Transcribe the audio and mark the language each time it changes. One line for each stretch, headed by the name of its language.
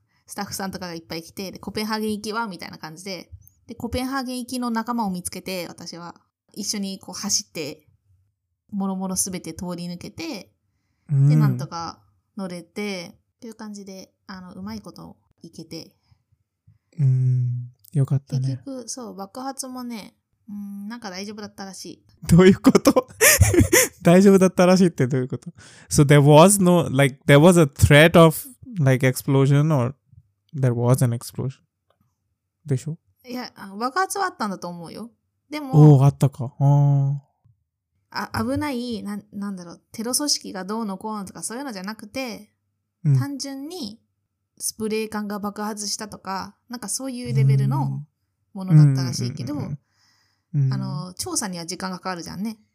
Japanese: スタッフさんとかがいっぱい来て、で、コペンハーゲン行きはみたいな感じで、で、コペンハーゲン行きの仲間を見つけて、私は、一緒にこう走って、もろもろすべて通り抜けて、で、なんとか乗れて、いう感じで、うまいこといけて。よかったね。結局、そう、爆発もね、なんか大丈夫だったらしい。どういうこと？大丈夫だったらしいってどういうこと？
English: So there was no, like, there was a threat of, like, explosion or there was an explosion?
Japanese: でしょ？いや、爆発はあったんだと思うよ。でも、おお、あったか。あ、危ない、なんだろう、テロ組織がどうのこうのとかそういうのじゃなくて、単純にスプレー缶が爆発したとか、なんかそういうレベルのものだったらしいけど、調査には時間がかかるじゃんね。